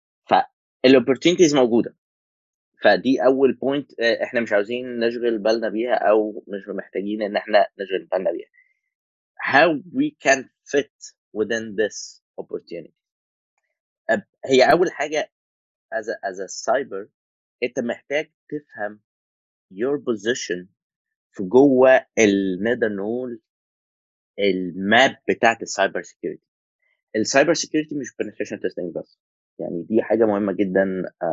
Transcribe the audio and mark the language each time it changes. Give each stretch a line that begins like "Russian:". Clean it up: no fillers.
Arabic: فالopportunities موجودة. فدي أول point إحنا مش عاوزين نشغل بالنا بيها أو مش محتاجين إن إحنا نشغل بالنا بيها.
English: How we can fit within this opportunity.
Arabic: هي أول حاجة
English: as a cyber
Arabic: أنت محتاج تفهم
English: your position
Arabic: في جوه النيدانول الماب بتاعت السايبر سيكيورتي. السايبر سيكيورتي مش بنتريشن تيستينج بس، يعني دي حاجه مهمه جدا.